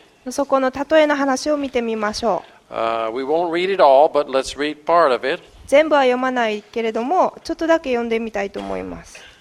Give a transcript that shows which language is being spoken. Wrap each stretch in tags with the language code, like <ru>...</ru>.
<ja>そこの例えの話を見てみましょう。</ja> <en>We won't read it all, but let's read part of it.</en> <ja>全部は読まないけれどもちょっとだけ読んでみたいと思います。</ja>